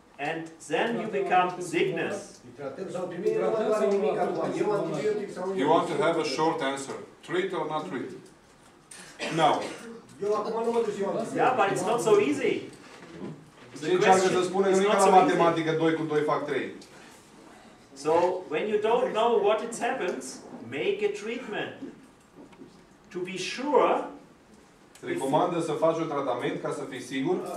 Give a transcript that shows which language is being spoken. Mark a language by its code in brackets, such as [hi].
[en] And then you become sickness. You want to have a short answer. Treat or not treat? No. Yeah, but it's not so easy. [ro] Deci ar trebui să spune că nu e ca la matematică, 2 cu 2 fac 3. [en] So, when you don't know what it happens, make a treatment. To be sure. [ro] Recomandă să faci un tratament ca să fii sigur.